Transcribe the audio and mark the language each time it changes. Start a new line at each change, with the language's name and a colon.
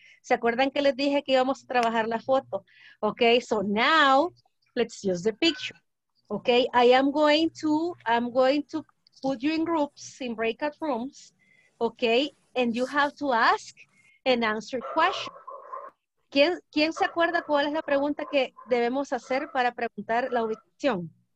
Spanish: ¿Se acuerdan que les dije que íbamos a trabajar la foto?
English: Okay, so now, let's use the picture. Okay, I'm going to put you in groups, in breakout rooms, okay? And you have to ask and answer questions.
Spanish: ¿Quién se acuerda cuál es la pregunta que debemos hacer para preguntar la ubicación?